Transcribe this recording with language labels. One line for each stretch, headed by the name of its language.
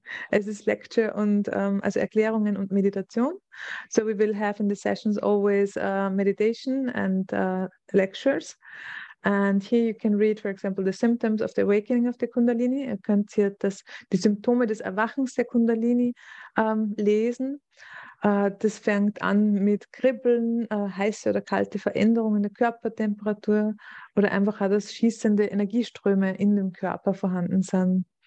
German: Es ist Lecture und also Erklärungen und Meditation.
English: So we will have in the sessions always meditation and lectures. And here you can read, for example, the symptoms of the awakening of the Kundalini.
German: Ihr könnt hier die Symptome des Erwachens der Kundalini lesen. Das fängt an mit Kribbeln, heiße oder kalte Veränderungen der Körpertemperatur oder einfach auch, dass schießende Energieströme in dem Körper vorhanden sind.